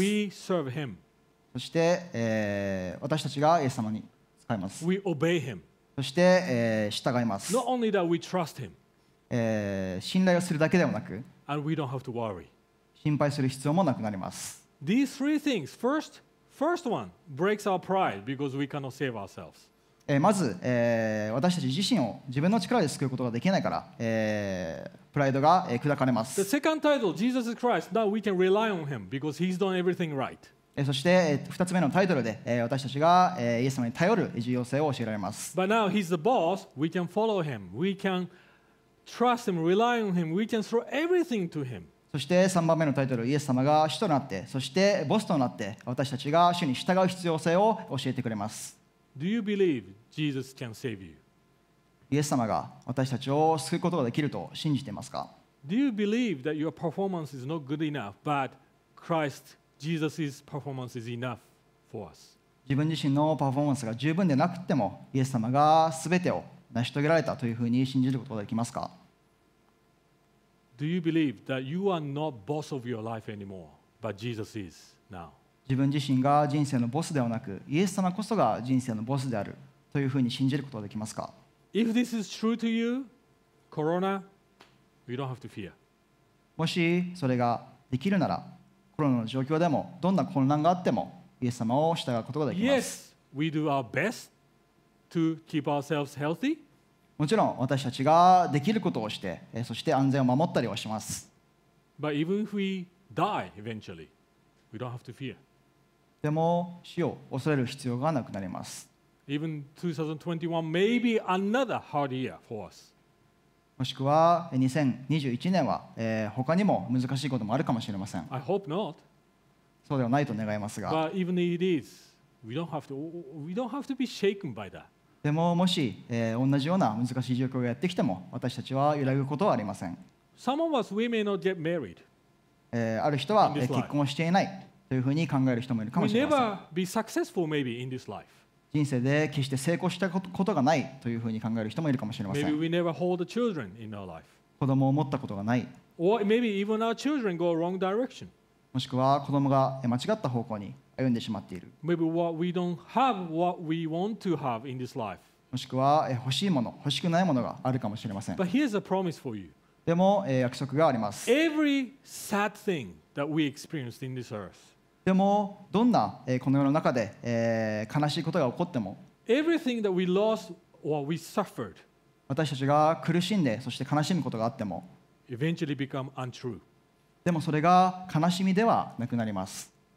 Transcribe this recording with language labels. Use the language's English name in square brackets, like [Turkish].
[English] We serve him. [Japanese] そして私たちがイエス様に仕えます。 [English] We obey him. [Japanese] そして従います。 [English] Not only that we trust him. [Japanese] 信頼をするだけではなく、 [English] And we don't have to worry. [Japanese] 心配する必要もなくなります。 [English] These three things. First one breaks our pride because we cannot save ourselves. [Japanese] まず、私たち自身を自分の力で救うことができないから、プライドが砕かれます。 [English] The second title, Jesus is Christ. Now we can rely on him because he's done everything right. [Japanese] そして、二つ目のタイトルで、私たちが、イエス様に頼る重要性を教えられます。 [English] But now he's the boss. We can follow him. We can trust him, rely on him. We can throw everything to him. [Japanese] そして3番目のタイトル、イエス様が主となって、そしてボスとなって、私たちが主に従う必要性を教えてくれます。 [English] Do you believe Jesus can save you? [Japanese] イエス様が私たちを救うことができると信じていますか? [English] Do you believe that your performance is not good enough, but Christ, Jesus' performance is enough for us? [Japanese] 自分自身のパフォーマンスが十分でなくてもイエス様が全てを成し遂げられたというふうに信じることができますか? [English] Do you believe that you are not boss of your life anymore, but Jesus is now? [Japanese] 自分自身が人生のボスではなく、イエス様こそが人生のボスであるというふうに信じることができますか? [English] If this is true to you, Corona, you don't have to fear. [Japanese] もしそれができるなら、コロナの状況でもどんな混乱があってもイエス様を従うことができます。 [English] Yes, we do our best to keep ourselves healthy. [Japanese] もちろん私たちができることをして、そして安全を守ったりはします。 [English] But even if we die eventually. We don't have to fear. [Japanese] でも死を恐れる必要がなくなります。 [English] Even 2021 may be another hard year for us. [Japanese] もしくは2021年は、他にも難しいこともあるかもしれません。 [English] I hope not. [Japanese] そうではないと願いますが。 [English] But even if it is, we don't have to be shaken by that. [Japanese] でももし、同じような難しい状況がやってきても私たちは揺らぐことはありません。 [English] Some of us we may not get married. [Japanese] ある人は結婚をしていないというふうに考える人もいるかもしれません。 [English] We'll never be successful maybe in this life. [Japanese] 人生で決して成功したことがないというふうに考える人もいるかもしれません。 [English] Maybe we never hold the children in our life. [Japanese] 子供を持ったことがない。 [English] Or maybe even our children go wrong direction. [Japanese] もしくは子供が間違った方向に歩んでしまっている。 [English] Maybe what we don't have what we want to have in this life. [Japanese] もしくは欲しいもの、欲しくないものがあるかもしれません。 [English] But here's a promise for you. [Japanese] でも、約束があります。 [English] Every sad thing that we experienced in this earth, [Japanese] でも、どんな、この世の中で、悲しいことが起こっても、 [English] Everything that we lost or we suffered, [Japanese] 私たちが苦しんで、そして悲しむことがあっても、 [English] eventually become untrue. [Japanese] でも、それが悲しみではなくなります。